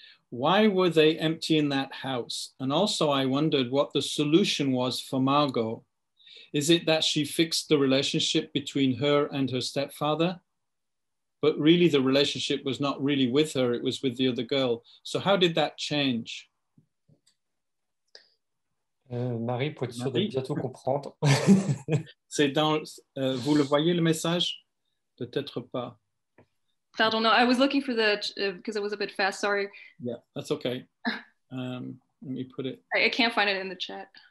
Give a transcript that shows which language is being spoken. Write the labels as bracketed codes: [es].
[en] Why were they empty in that house? And also I wondered what the solution was for Margot. Is it that she fixed the relationship between her and her stepfather? But really the relationship was not really with her, it was with the other girl. So how did that change? [fr] Marie, pour être sûr de bientôt comprendre. C'est dans, vous le voyez le message? Peut-être pas. [en] Pardon, no, I was looking for the, because it was a bit fast, sorry. Yeah, that's okay. Let me put it. I can't find it in the chat.